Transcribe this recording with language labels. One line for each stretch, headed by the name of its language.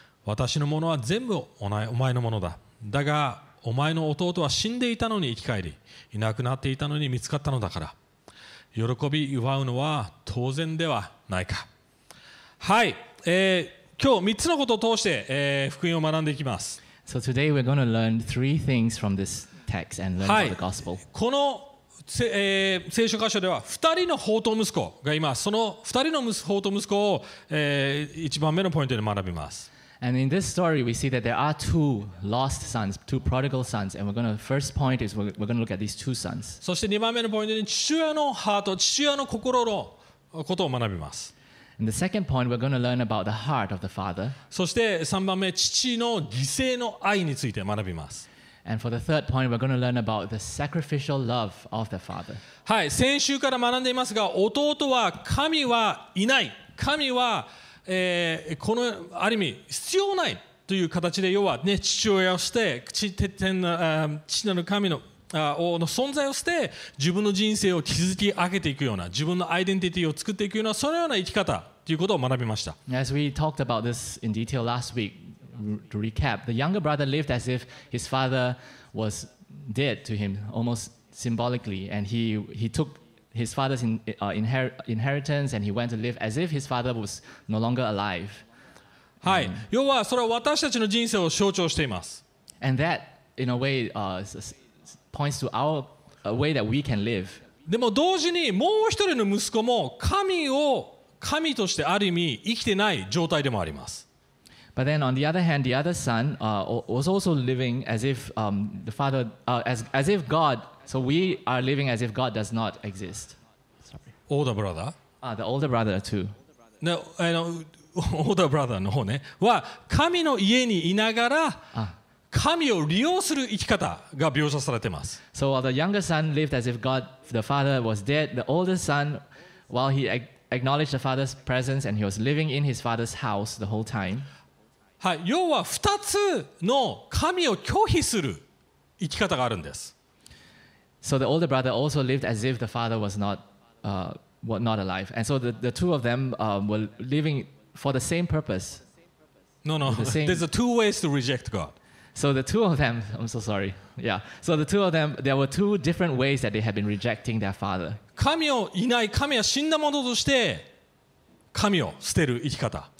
Japanese: 私のものは全部お前のものだ。だがお前の弟は死んでいたのに生き返り、いなくなっていたのに見つかったのだから、喜び祝うのは当然ではないか。はい、今日3つのことを通して、福音を学んでいきます。
English: So today we're going to learn three things from this text and learn about the gospel.
Japanese: この聖書箇所では2人の放蕩息子がいます。その2人の放蕩息子を1番目のポイントで学びます。
English: And in this story, we see that there are two lost sons, two prodigal sons. And first point is we're going to look at these two sons.
Japanese: そして2番目のポイントで父親のハート、父親の心のことを学びます。
English: And the second point, we're going to learn about the heart of the father.
Japanese: そして3番目、父の犠牲の愛について学びます。
English: And for the third point, we're going to learn about the sacrificial love of the father.
Japanese: はい、先週から学んでいますが、弟は神はいない。神はこのある意味必要ないという形で要は、ね、父親を捨て 父なる神 の存在を捨て自分の人生を築き上げていくような自分のアイデンティティを作っていくようなそのような生き方ということを学びました。
English: As we talked about this in detail last week, to recap, the younger brother lived as if his father was dead to him, almost symbolically, and he tookhis father's inheritance and he went to live as if his father was no longer alive.
Japanese: はい。要はそれは私たちの人生を象徴しています。
English: And that, in a way, points to our, a way that we can live.
Japanese: でも同時にもう一人の息子も神を神としてある意味生きてない状態でもあります。
English: But then on the other hand, the other son, was also living as if, the father, as if God... So we are living as if God does not exist. Sorry. Older brother. Ah, the older brother too. No, older brother
Japanese: の方ね、は神の家にいながら神を利用する生き方が描写されています。
English: So while the younger son lived as if God, the father was dead, the older son, while he acknowledged the father's presence and he was living in his father's house the whole time.
Japanese: はい、要は二つの神を拒否する生き方があるんです。
English: So the older brother also lived as if the father was not alive. And so the two of them were living for the same purpose. No. There's two ways to reject God. So the two of them, I'm so sorry. Yeah. So the two of them, there were two different ways that they had been rejecting their father.
Japanese: 神をいない、神は死んだものとして神を捨てる生き方。